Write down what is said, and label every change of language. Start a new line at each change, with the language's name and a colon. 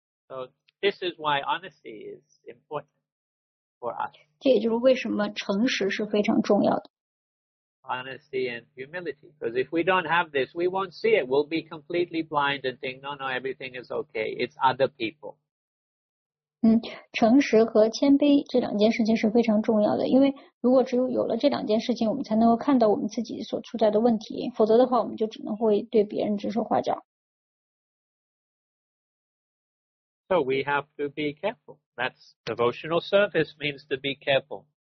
English: So this is why honesty is important for us.
Chinese: 这也就是为什么诚实是非常重要的。
English: Honesty and humility, because if we don't have this, we won't see it. We'll be completely blind and think, no, everything is okay. It's other people.
Chinese: 诚实和谦卑这两件事情是非常重要的，因为如果只有有了这两件事情，我们才能够看到我们自己所处在的问题，否则的话我们就只能会对别人指手画脚。
English: So we have to be careful. That's devotional service means to be careful.